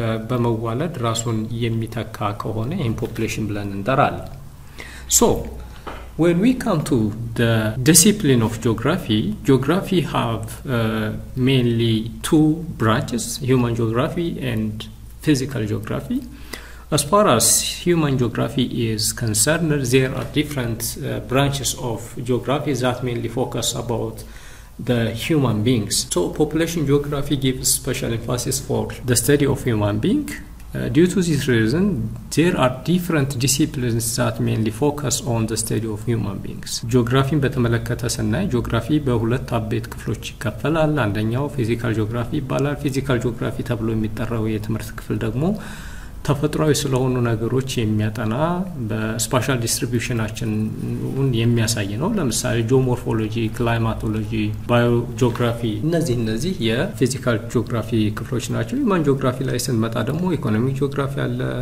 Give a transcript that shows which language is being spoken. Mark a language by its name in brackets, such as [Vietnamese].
[Amharic] በመዋለድ ራሱን የሚተካ ከሆነ ይሄን population ብለን እንጠራለን። [English] So when we come to the discipline of geography, geography have mainly two branches, human geography and physical geography. As far as human geography is concerned, there are different branches of geography that mainly focus about the human beings. So population geography gives special emphasis for the study of human being. Due to this reason, there are different disciplines that mainly focus on the study of human beings. [Amharic] Geography በተመለከተ ስናይ ጂኦግራፊ በሁለት አበይት ክፍሎች ይከፈላል። አንደኛው physical geography ይባላል። physical geography ተብሎ የሚጠራው የትምህርት ክፍል ደግሞ ተፈጥሯዊ ስለሆኑ ነገሮች የሚያጠና በስፓሻል ዲስትሪቢዩሽናችንን የሚያሳይ ነው። ለምሳሌ ጂኦሞርፎሎጂ፣ ክላይማቶሎጂ፣ ባዮጂኦግራፊ እነዚህ የፊዚካል ጂኦግራፊ ክፍሎች ናቸው። ማን ጂኦግራፊ ላይ ስንመጣ ደግሞ ኢኮኖሚክ ጂኦግራፊ አለ፣